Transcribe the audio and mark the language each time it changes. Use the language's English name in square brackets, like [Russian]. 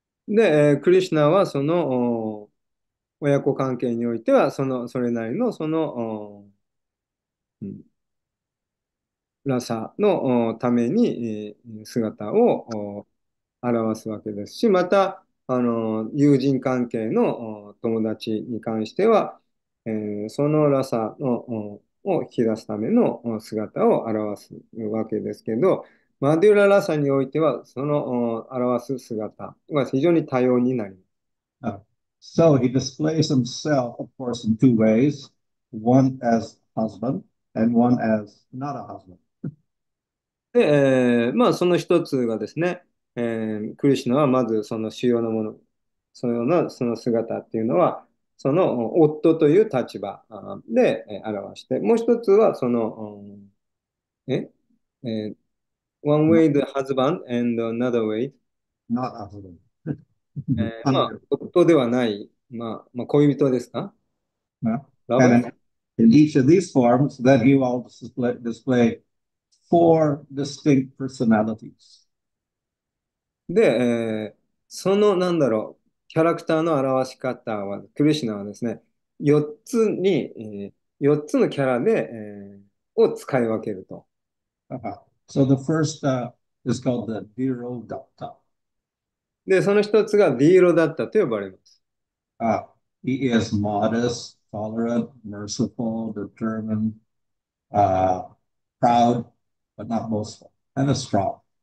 [Japanese] で、クリシナはその親子関係においてはそのそれなりのそのラサのために姿を表すわけですし、また友人関係の友達に関しては、そのラサを引き出すための姿を表すわけですけど、マデュララサにおいては、その表す姿が非常に多様になります。 [English] So he displays himself, of course, in two ways, one as husband and one as not a husband. [Japanese] で、まあ、その一つがですね、クリシュナはまずその主要なもの、そのようなその姿っていうのは、その夫という立場で表して、もう一つはその、 [English] one way the husband and another way、 Not a husband. [Japanese] まあ、夫ではない、まあ、恋人ですか？ [English] And in each of these forms, then he will display four distinct personalities. [Japanese] で、そのなんだろう、キャラクターの表し方は、クリシナはですね、4つのキャラで、を使い分けると。 [English] So the first is called the Dhiro Dutta. [Japanese] で、その一つがディーロだったと呼ばれます。 [English] He is modest. Tolerant, merciful, determined, proud, but not boastful, and a strong.